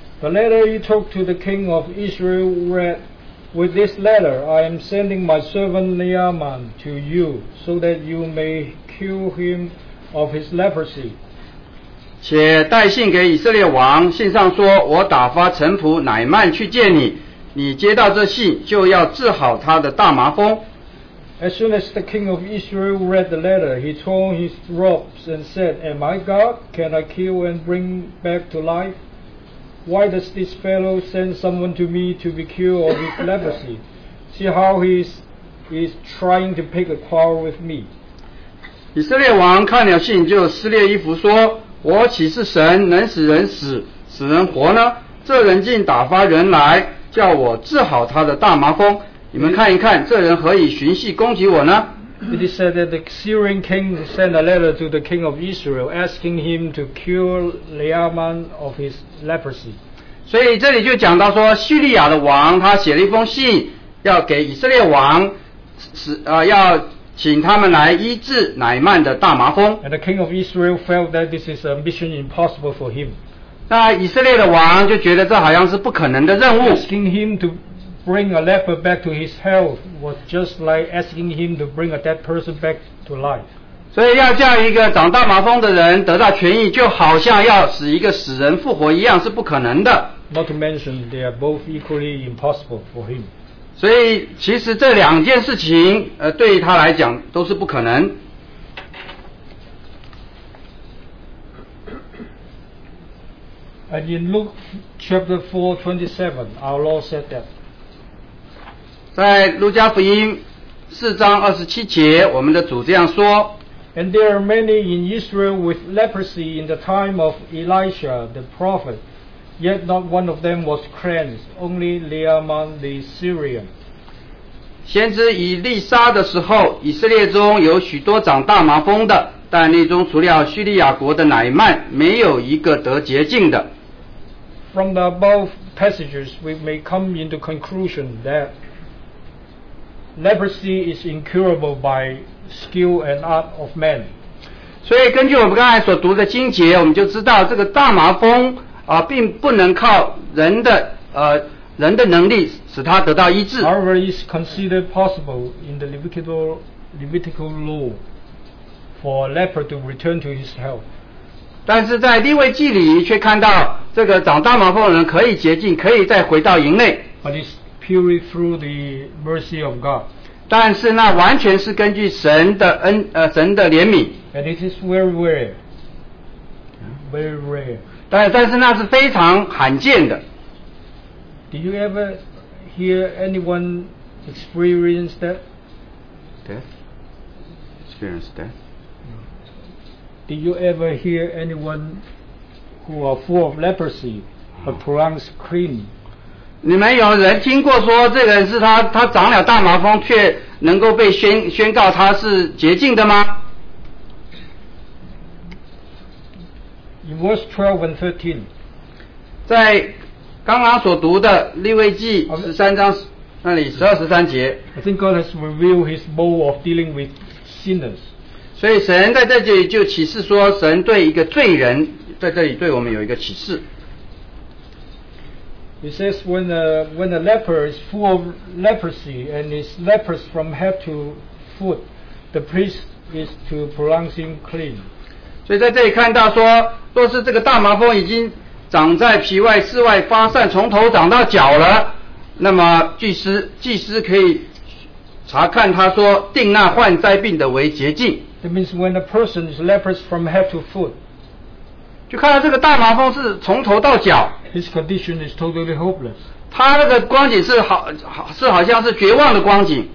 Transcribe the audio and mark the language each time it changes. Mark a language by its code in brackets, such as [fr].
[en] The letter he took to the king of Israel read, With this letter I am sending my servant Naaman to you so that you may cure him of his leprosy [zh] 且带信给以色列王信上说我打发臣仆乃曼去见你你接到这信就要治好他的大麻风 [en] As soon as the king of Israel read the letter, he tore his robes and said, Am I God? Can I kill and bring back to life? Why does this fellow send someone to me to be cured of his leprosy? See how he is trying to pick a quarrel with me. [zh] 以色列王看了信就撕裂衣服说我岂是神能使人死使人活呢这人竟打发人来叫我治好他的大麻风你们看一看，这人何以循序攻击我呢 [en] ？It is said that the Syrian king sent a letter to the king of Israel, asking him to cure Leaman of his leprosy. [zh] 所以这里就讲到说，叙利亚的王他写了一封信，要给以色列王，要请他们来医治乃曼的大麻风。 [en] And the king of Israel felt that this is a mission impossible for him. [zh] 那以色列的王就觉得这好像是不可能的任务。 [en] Asking him toBring a leper back to his health was just like asking him to bring a dead person back to life. [zh] 所以要叫一个长大麻风的人得到痊愈，就好像要使一个死人复活一样，是不可能的。 [en] Not to mention they are both equally impossible for him. [zh] 所以其实这两件事情，对于他来讲都是不可能。 [en] And in Luke chapter 4:27, our Lord said that. [zh] 在路加福音四章二十七节，我们的主这样说 [en] ：“And there are many in Israel with leprosy in the time of Elisha the prophet, yet not one of them was cleansed, only Naaman the Syrian。” [zh] 先知以利沙的时候，以色列中有许多长大麻风的，但那中除了叙利亚国的乃曼，没有一个得洁净的。 [en] From the above passages, we may come into conclusion that. Leprosy is incurable by skill and art of man. [zh] 所以根据我们刚才所读的经节，我们就知道这个大麻风并不能靠人的能力使它得到医治。 [en] However, it's considered possible in the Levitical law for a leper to return to his health. [zh] 但是在利未记里却看到这个长大麻风的人可以洁净，可以再回到营内。 [en] Purely through the mercy of God. [zh] 但是那完全是根据神的怜悯。 [en] And it is very rare. very rare. [zh] 但是那是非常罕见的。 [en] Do you ever hear anyone experience that? Death? Experience death? Do you ever hear anyone who are full of leprosy but pronounced clean? [zh] 你们有人听过说这个人是他长了大麻风却能够被宣告他是洁净的吗？ [en] In verse 12 and 13, [zh] 在刚刚所读的利未记13章那里12、13节， [en] I think God has revealed his mode of dealing with sinners. [zh] 所以神在这里就启示说神对一个罪人在这里对我们有一个启示。 [en] He says when a leper is full of leprosy and is leprous from head to foot, the priest is to pronounce him clean. [zh] 所以在这里看到说，若是这个大麻风已经长在皮外、室外发散，从头长到脚了，那么祭司可以查看他说定那患灾病的为洁净。 [en] That means when a person is leprous from head to foot. [zh] 就看到这个大麻风是从头到脚 [en] His condition is totally hopeless. [zh] 他那个光景是好像是绝望的光景